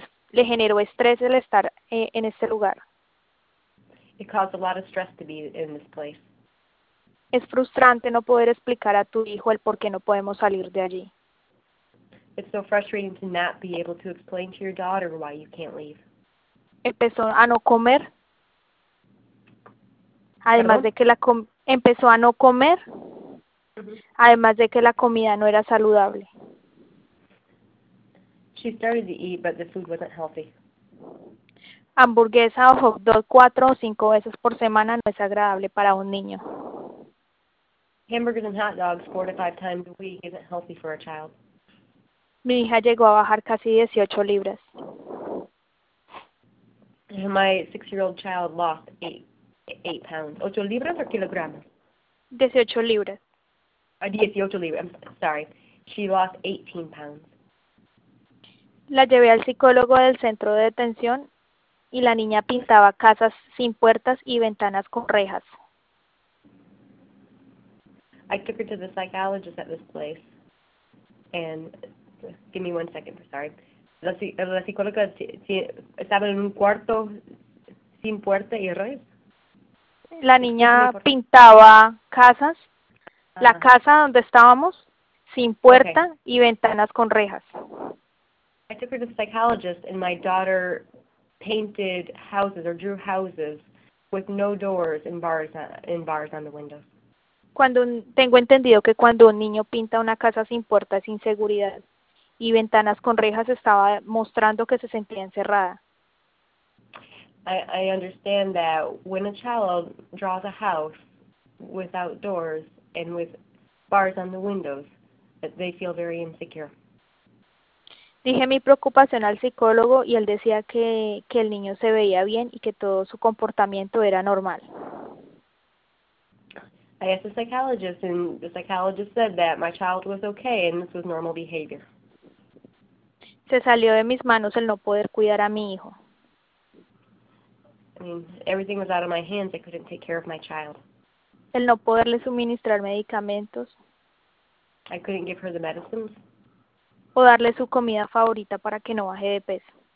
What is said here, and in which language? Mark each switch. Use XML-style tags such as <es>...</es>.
<es>Le generó estrés el estar en este lugar.</es> <en>It caused a lot of stress to be in this place.</en> <es>Es frustrante no poder explicar a tu hijo el por qué no podemos salir de allí.</es> <en>It's so frustrating to not be able to explain to your daughter why you can't leave.</en> <es>Empezó a no comer. Además de que la empezó a no comer. Además de que la comida no era saludable.</es> <en>She started to eat, but the food wasn't healthy.</en> <es>Hamburguesa o hot dog 4 o 5 veces por semana no es agradable para un niño.</es> <en>Hamburgers and hot dogs 4 to 5 times a week isn't healthy for a child.</en> <es>Mi hija llegó a bajar casi 18 libras.</es> <en>My 6-year-old child lost 8 pounds.</en> <es>8 libras o kilogramos? 18 libras. 18 libras,</es> <en>I'm sorry. She lost 18 pounds.</en> <es>La llevé al psicólogo del centro de detención y la niña pintaba casas sin puertas y ventanas con rejas.</es> <en>I took her to the psychologist at this place. And give me one second, sorry.</en> <es>La psicóloga estaba en un cuarto sin puerta y rejas. La niña pintaba casas. La casa donde estábamos, sin puerta y ventanas con rejas.</es> <en>I took her to the psychologist and my daughter painted houses or drew houses with no doors and bars on the windows.</en> <es>Tengo entendido que cuando un niño pinta una casa sin puertas, sin seguridad y ventanas con rejas, estaba mostrando que se sentía encerrada.</es> <en>I understand that when a child draws a house without doors, and with bars on the windows, that they feel very insecure.</en> <es>Dije mi preocupación al psicólogo y él decía que el niño se veía bien y que todo su comportamiento era normal.</es> <en>I asked a psychologist, and the psychologist said that my child was okay and this was normal behavior.</en> <es>Se salió de mis manos el no poder cuidar a mi hijo.</es> <en>I mean, everything was out of my hands. I couldn't take care of my child.</en> <es>El no poderle suministrar medicamentos.</es> <en>I couldn't give her the medicines.</en> <es>O darle su comida favorita para que no baje de peso.</es>